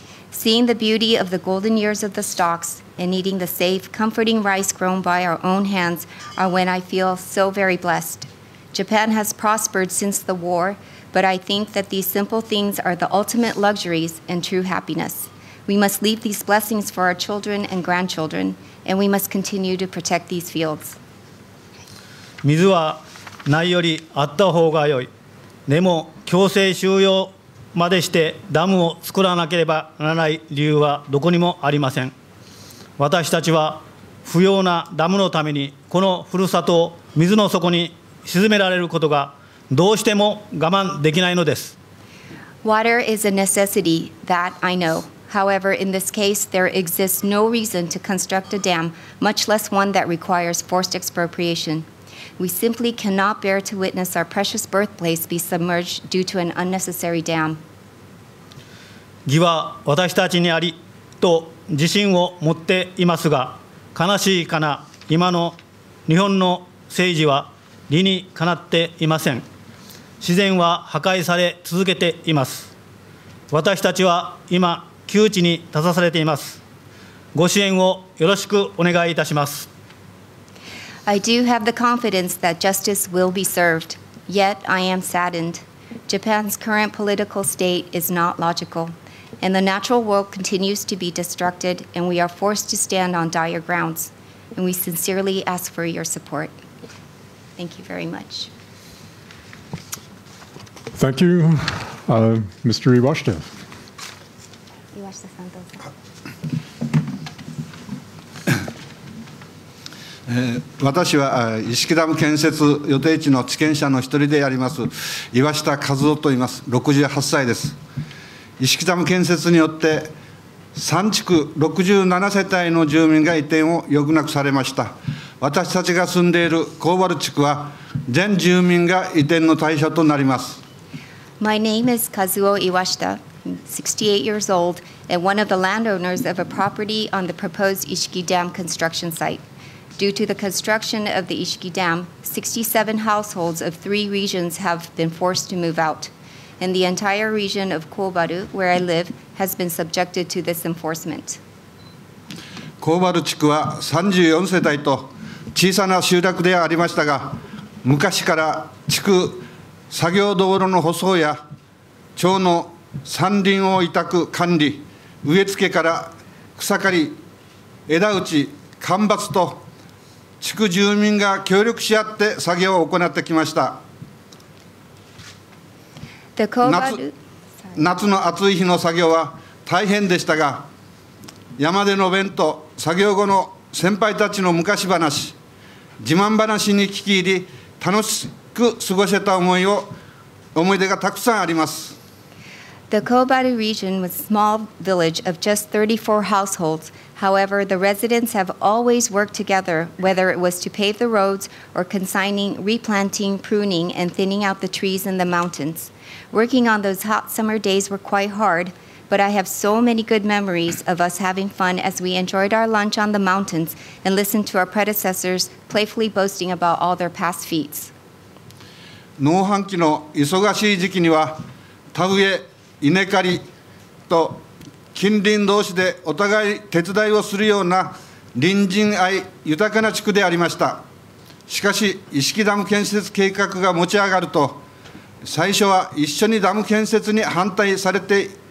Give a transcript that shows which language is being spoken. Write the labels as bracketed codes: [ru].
[en] Seeing the beauty of the golden years of the stalks and eating the safe, comforting rice grown by our own hands are when I feel so very blessed. Japan has prospered since the war, but I think that these simple things are the ultimate luxuries and true happiness. We must leave these blessings for our children and grandchildren, and we must continue to protect these fields. [ja] 水はないよりあった方がよい。でも強制収容までしてダムを作らなければならない理由はどこにもありません。私たちは不要なダムのためにこのふるさとを水の底に沈められることがどうしても我慢できないのです。 [en] Water is a necessity, that I know. However, in this case, there exists no reason to construct a dam, much less one that requires forced expropriation. We simply cannot bear to witness our precious birthplace be submerged due to an unnecessary dam. [ja] 義は私たちにありと自信を持っていますが、悲しいかな、今の日本の政治は理にかなっていません。自然は破壊され続けています。私たちは今、窮地に立たされています。ご支援をよろしくお願いいたします。 [en] I do have the confidence that justice will be served, yet I am saddened. Japan's current political state is not logical, and the natural world continues to be destructed, and we are forced to stand on dire grounds, and we sincerely ask for your support. Thank you very much. Thank you, Mr. Iwashita. Iwashita-san, please. [ja] 私は石木ダム建設予定地の地権者の一人であります岩下和夫といいます。 68歳です。石木ダム建設によって3地区67世帯の住民が移転を余儀なくされました。私たちが住んでいる高原地区は全住民が移転の対象となります。 [en] My name is Kazuo Iwashita, 68 years old and one of the landowners of a property on the proposed Ishiki Dam construction siteDue to the construction of the Ishiki Dam, 67 households of three regions have been forced to move out. And the entire region of Kobaru, where I live, has been subjected to this enforcement. [ja] Kobaru 地区は34世帯と小さな集落ではありましたが、昔から地区作業道路の舗装や町の山林を委託管理、植え付けから草刈り、枝打ち、間伐と地区住民が協力し合って作業を行ってきました。夏の暑い日の作業は大変でしたが、山での弁当、作業後の先輩たちの昔話、自慢話に聞き入り、楽しく過ごせた思い出がたくさんあります。 [en] The Kobaru region was a small village of just 34 households. However, the residents have always worked together, whether it was to pave the roads or consigning, replanting, pruning, and thinning out the trees in the mountains. Working on those hot summer days were quite hard, but I have so many good memories of us having fun as we enjoyed our lunch on the mountains and listened to our predecessors playfully boasting about all their past feats. [ja] 農繁期の忙しい時期には田植え稲刈りと近隣同士でお互い手伝いをするような隣人愛豊かな地区でありました。しかし伊敷ダム建設計画が持ち上がると、最初は一緒にダム建設に反対されて